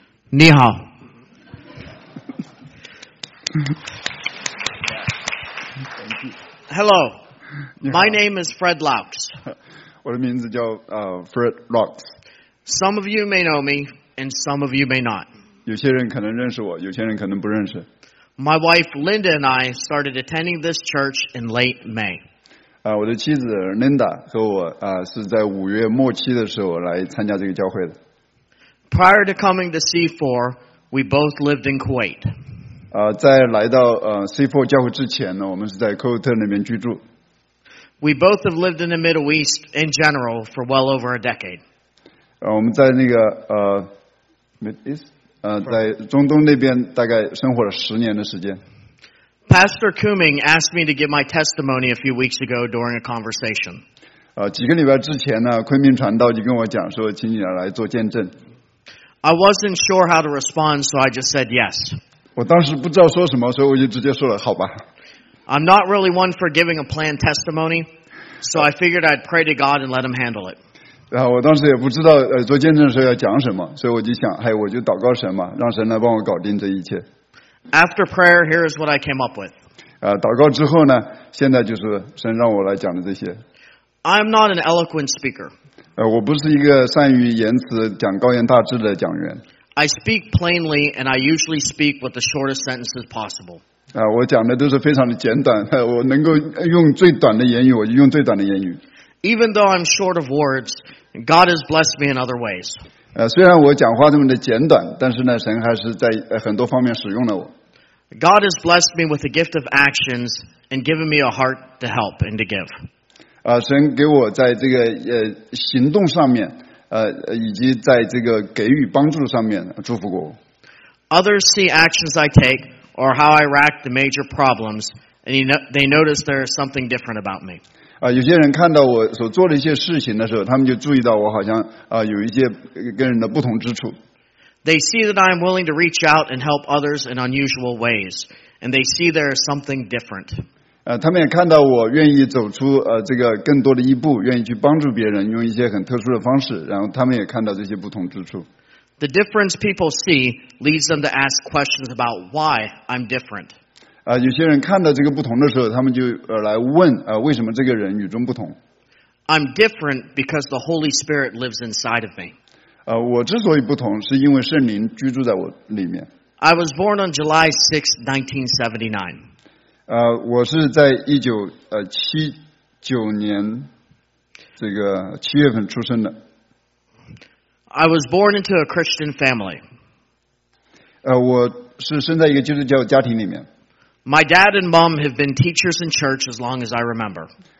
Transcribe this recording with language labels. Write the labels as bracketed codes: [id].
[zh] 你好， [en] Hello, my name is Fred Laux. [zh] 我的名字叫Fred Laux. [en] Some of you may know me, and some of you may not. [zh] 有些人可能认识我，有些人可能不认识。 [en] My wife Linda and I started attending this church in late May. [zh] 我的妻子 Linda 和我是在五月末期的时候来参加这个教会的。 [en] Prior to coming to C4, we both lived in Kuwait. [zh] 在来到C4 教会之前呢，我们是在科威特那边居住。 [en] We both have lived in the Middle East in general for well over a decade. [zh] 我们在那个在中东那边大概生活了十年的时间。 [en] Pastor Kuming asked me to give my testimony a few weeks ago during a conversation. [zh] 几个礼拜之前呢，昆明传道就跟我讲说，请你来做见证。 [en] I wasn't sure how to respond, so I just said yes. [zh] 我当时不知道说什么，所以我就直接说了好吧。 [en] I'm not really one for giving a planned testimony, so I figured I'd pray to God and let Him handle it. [zh] 然后我当时也不知道做见证的时候要讲什么，所以我就想，哎，我就祷告神嘛，让神来帮我搞定这一切。 [en] After prayer, here is what I came up with. [zh] 祷告之后呢，现在就是神让我来讲的这些。 [en] I'm not an eloquent speaker. [zh] 我不是一个善于言辞、讲高言大志的讲员。 [en] I speak plainly, and I usually speak with the shortest sentences possible. [zh] 我讲的都是非常的简短，我能够用最短的言语，我就用最短的言语。 [en] Even though I'm short of words, God has blessed me in other ways. [zh] 虽然我讲话这么的简短，但是呢，神还是在很多方面使用了我。 [en] God has blessed me with the gift of actions and given me a heart to help and to give. [zh] 神给我在这个行动上面，以及在这个给予帮助上面祝福过我。 [en] Others see actions I take or how I react to major problems, and they notice there is something different about me. [zh] 有些人看到我所做的一些事情的时候，他们就注意到我好像有一些跟人的不同之处。 [en] They see that I am willing to reach out and help others in unusual ways, and they see there is something different. [zh] 他们也看到我愿意走出这个更多的一步，愿意去帮助别人，用一些很特殊的方式，然后他们也看到这些不同之处。 [en] The difference people see leads them to ask questions about why I'm different. [zh] 有些人看到这个不同的时候，他们就来问为什么这个人与众不同。 [en] I'm different because the Holy Spirit lives inside of me. [zh] 我之所以不同，是因为圣灵居住在我里面。 [en] I was born on July 6, 1979. [zh] 我是在1979年这个七月份出生的。 [en] I was born into a Christian family. [zh] 我是生在一个基督教家庭里面。 [en] My dad and mom have been teachers in church as long as I remember.